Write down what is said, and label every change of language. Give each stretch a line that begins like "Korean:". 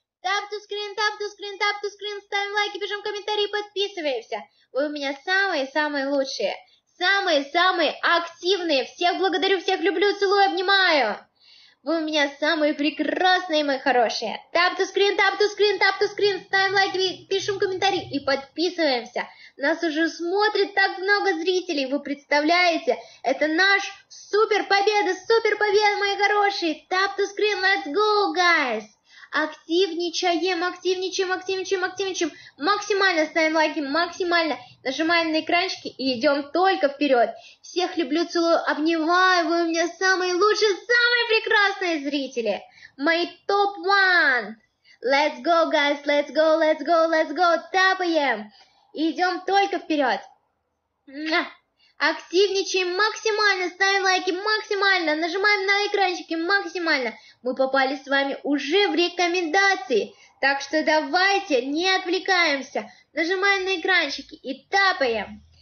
English: Tap to screen, tap to screen, tap to screen.
Russian: Ставим лайки, пишем комментарии, подписываемся. Вы у меня самые-самые лучшие. Самые-самые активные. Всех благодарю, всех люблю, целую, обнимаю. Вы у меня самые прекрасные, мои хорошие.
English: Tap to screen, tap to screen, tap to screen.
Russian: Ставим лайки, пишем комментарии и подписываемся. Нас уже смотрит так много зрителей, вы представляете? Это наш супер победа, мои хорошие.
English: Tap to screen, let's go, guys.
Russian: Активничаем, активничаем, активничаем, активничаем. Максимально ставим лайки, максимально нажимаем на экранчики и идем только вперед. Всех люблю, целую, обнимаю. Вы у меня самые лучшие, самые прекрасные зрители. Мои топ ван.
English: Let's go, guys, let's go, let's go, let's go.
Russian: Тапаем. Идем только вперед. Активничаем максимально, ставим лайки максимально, нажимаем на экранчики максимально. Мы попали с вами уже в рекомендации, так что давайте не отвлекаемся, нажимаем на экранчики и тапаем.